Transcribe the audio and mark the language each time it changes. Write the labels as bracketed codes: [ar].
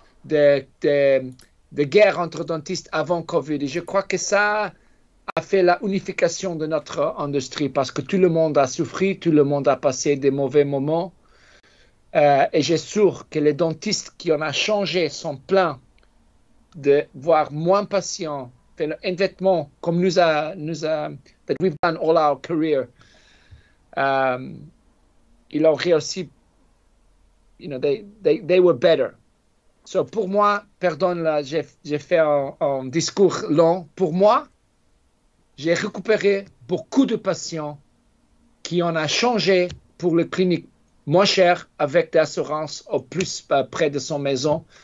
[fr] de guerre entre dentistes avant COVID. Et je crois que ça a fait la unification de notre industrie parce que tout le monde a souffri, tout le monde a passé des mauvais moments. Et j'ai sûr que les dentistes qui en ont changé sont pleins de voir moins patients, faire un vêtement comme [en] that we've done all our career. [fr] Ils ont réussi, [en] you know, they were better. [fr] So pour moi, pardon, là, j'ai fait un discours long. Pour moi, j'ai récupéré beaucoup de patients qui en ont changé pour le clinique moins cher avec l'assurance au plus près de son maison.